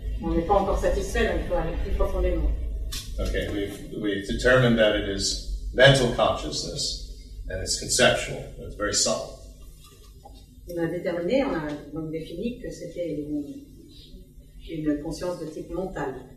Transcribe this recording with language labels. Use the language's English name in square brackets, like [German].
[French] On n'est pas encore satisfait, donc il faut aller plus profondément. [English] Okay, we've determined that it is mental consciousness and it's conceptual. It's very subtle. [French] On a déterminé, on a donc défini que c'était une conscience de type mental.